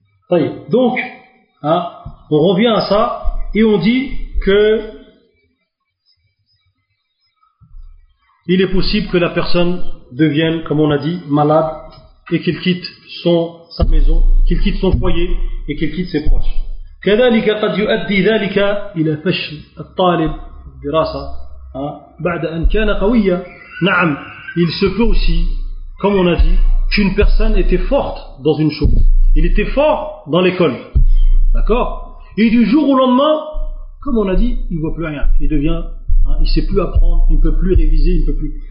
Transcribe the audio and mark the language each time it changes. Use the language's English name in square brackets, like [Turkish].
[Arabic] طيب [French] donc hein, on revient à ça et on dit que il est possible que la personne devienne, comme on a dit, malade et qu'il quitte sa maison, qu'il quitte son foyer et qu'il quitte ses proches. [Arabic] كذلك قد يؤدي ذلك إلى فشل الطالب دراسة بعد أن كان قوية. نعم, [French] il se peut aussi, comme on a dit, qu'une personne était forte dans une chose. Il était fort dans l'école, d'accord. Et du jour au lendemain, comme on a dit, il voit plus rien. Il devient, hein, il sait plus apprendre, il ne peut plus réviser, il ne peut plus.